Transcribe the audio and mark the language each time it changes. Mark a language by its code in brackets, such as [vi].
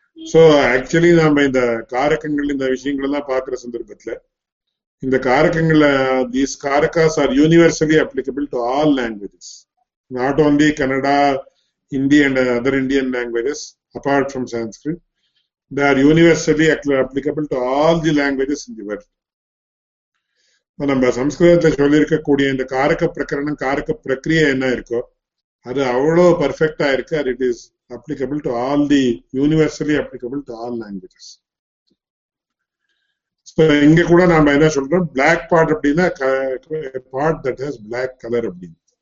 [en] so actually [ta] நாம இந்த காரகங்கள் இந்த விஷயங்கள் எல்லாம் பாக்குற சந்தர்ப்பத்துல இந்த காரகங்களை, [en] These karakas are universally applicable to all languages, not only Kannada, Hindi and other Indian languages apart from Sanskrit. they are universally applicable to all the languages in the world. [ta] நம்ம சம்ஸ்கிருதத்துல சொல்லியிருக்கக்கூடிய இந்த காரக பிரகரணம் காரக பிரக்ரிய என்ன இருக்கோ அது அவ்வளோ பர்ஃபெக்டா இருக்கு. [en] அது it is applicable to all the universally applicable to all languages. [ta] இங்க கூட நாம என்ன சொல்றோம், பிளாக் பாட் அப்படின்னா [en] pot that has black colour [ta] அப்படின்னு.